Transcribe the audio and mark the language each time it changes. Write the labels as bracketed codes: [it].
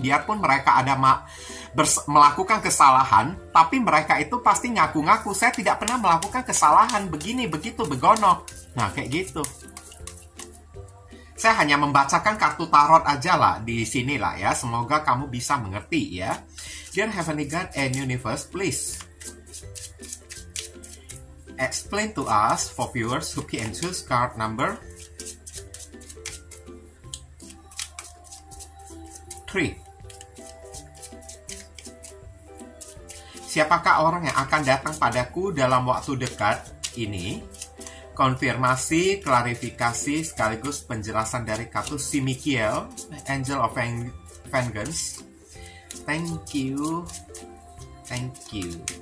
[id] Biarpun mereka ada melakukan kesalahan, tapi mereka itu pasti ngaku-ngaku, saya tidak pernah melakukan kesalahan begini, begitu, begono. Nah, kayak gitu. Saya hanya membacakan kartu tarot aja lah di sini lah ya. Semoga kamu bisa mengerti ya. [en] Dear Heavenly God and Universe, please explain to us for viewers who can choose card number 3. [id] Siapakah orang yang akan datang padaku dalam waktu dekat ini? Konfirmasi, klarifikasi, sekaligus penjelasan dari kartu si Mikiel, Angel of Vengeance. [en] Thank you. Thank you.